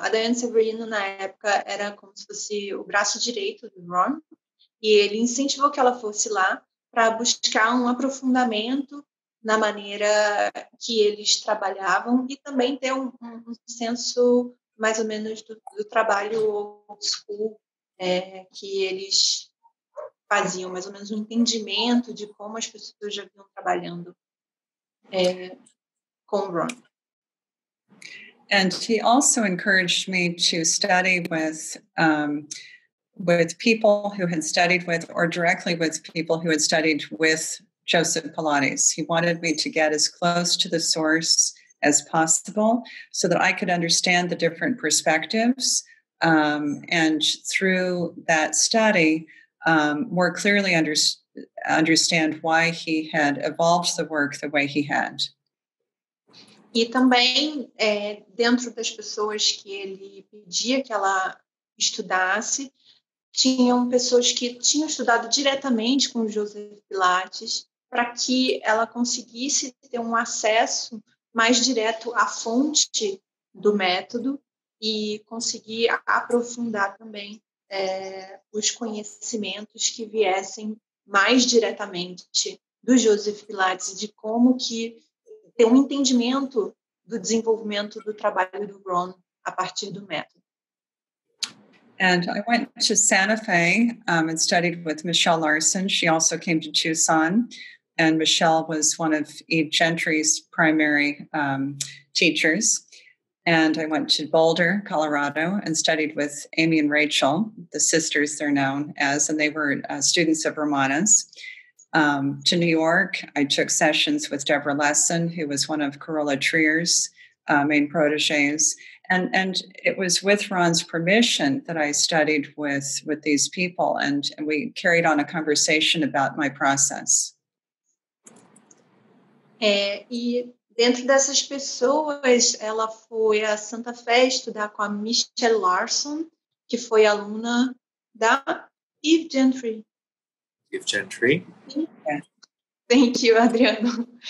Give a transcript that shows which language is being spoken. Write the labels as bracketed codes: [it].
[pt] A Diane Severino, na época, era como se fosse o braço direito do Ron, e ele incentivou que ela fosse lá para buscar um aprofundamento na maneira que eles trabalhavam e também ter um senso mais ou menos do trabalho old school que eles faziam, mais ou menos um entendimento de como as pessoas já vinham trabalhando com o Ron. [en] And he also encouraged me to study with people who had studied with, or directly with people who had studied with Joseph Pilates. He wanted me to get as close to the source as possible so that I could understand the different perspectives and through that study more clearly understand why he had evolved the work the way he had. [pt] E também dentro das pessoas que ele pedia que ela estudasse, tinham pessoas que tinham estudado diretamente com Joseph Pilates para que ela conseguisse ter um acesso mais direto à fonte do método e conseguir aprofundar também os conhecimentos que viessem mais diretamente do Joseph Pilates, de como que ter um entendimento do desenvolvimento do trabalho do Ron a partir do método. [en] And I went to Santa Fe and studied with Michelle Larson. She also came to Tucson. And Michelle was one of Eve Gentry's primary teachers. And I went to Boulder, Colorado, and studied with Amy and Rachel, the sisters they're known as, and they were students of Ramana's. To New York, I took sessions with Deborah Lesson, who was one of Carola Trier's main proteges. And it was with Ron's permission that I studied with these people, and we carried on a conversation about my process. [pt] E dentro dessas pessoas, ela foi a Santa Fé estudar com a Michelle Larson, que foi aluna da Eve Gentry. Eve Gentry. [en] Thank you, Adriano.